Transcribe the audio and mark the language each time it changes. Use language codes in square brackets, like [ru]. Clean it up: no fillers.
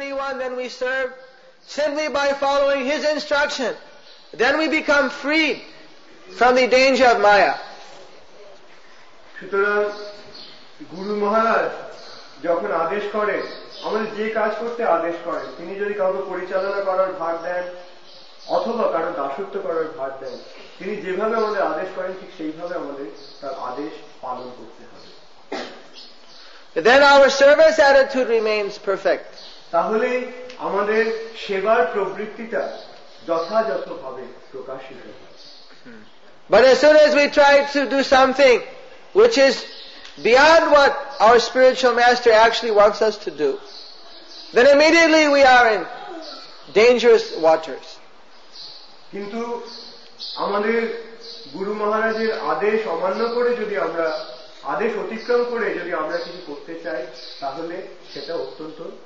[en] Then we serve simply by following His instruction. Then we become freed from the danger of Maya. [bn] সুতরাং গুরু মহারাজ যখন আদেশ করেন, আমাদের যে কাজ করতে আদেশ করেন, তিনি যদি কাউকে পরিচালনা করার ভার দেন অথবা কারো দাসত্ব করার ভার দেন, তিনি যেভাবে আমাদের আদেশ করেন ঠিক সেইভাবে আমাদের তার আদেশ পালন করতে হবে। [en] Then our service attitude remains perfect. [bn] তাহলে আমাদের সেবার প্রবৃত্তিটা যথাযথভাবে প্রকাশিত হবে। [en] But as soon as we try to do something which is beyond what our spiritual master actually wants us to do, then immediately we are in dangerous waters. [bn] কিন্তু আমাদের গুরু মহারাজের আদেশ অমান্য করে যদি আমরা আদেশ অতিক্রম করে যদি আমরা কিছু করতে চাই, তাহলে সেটা অত্যন্ত